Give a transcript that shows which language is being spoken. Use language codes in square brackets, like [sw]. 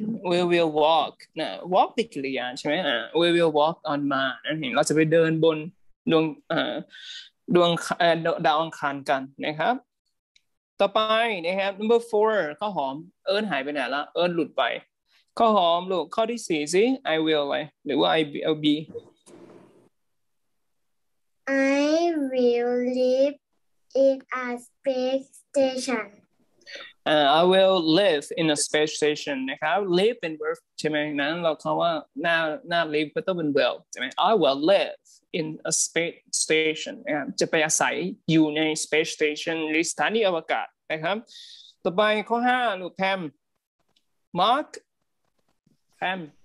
[en] We will walk [th] นะ walk เป็นกริยาใช่ไหม [en] we will walk on Mars [th] นั่นเห็นเราจะไปเดินบนดวงดาวอังคารกันนะครับต่อไปนะครับ [en] number 4 [th] ข้าวหอมเอิร์นหายไปไหนละเอิร์นหลุดไปข้าวหอมลูกข้อที่4สิ [en] I will [th] อะไรหรือว่า [en] I'll be I will live in a space station I will live in a space station [th] นะครับ live เป็น verb ใช่ไหมนั้นเราคำว่าน่า live ก็ต้องเป็น will ใช่ไหม [en] I will live in a space station [th] นะครับจะไปอาศัยอยู่ใน space station หรือสถานีอวกาศนะครับต่อไปข้อ5ลูกแพม Mark แพม